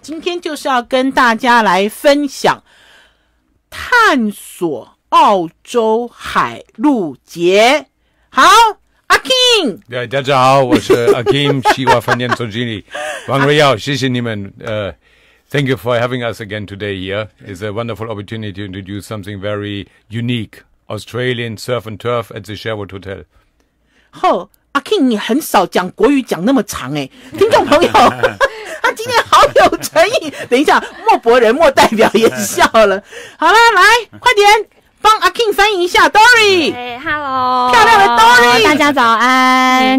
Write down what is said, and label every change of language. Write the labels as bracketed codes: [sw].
[zh] 今天就是要跟大家来分享探索澳洲海陆节。好，阿 Kim，大家好，我是阿 Kim， 西瓜饭店总经理王瑞瑶，谢谢你们。 [en] Thank you for having us again today here. It's a wonderful opportunity to introduce something very unique, Australian surf and turf at the Sherwood Hotel. [zh] 好，阿 King， 你很少讲国语讲那么长哎，听众朋友，他今天好有诚意。等一下，莫博仁莫代表也笑了。好了，来，快点。帮阿 King 翻译一下 ，Dory。 [en] Hello， [zh] 漂亮的 Dory，大家早安。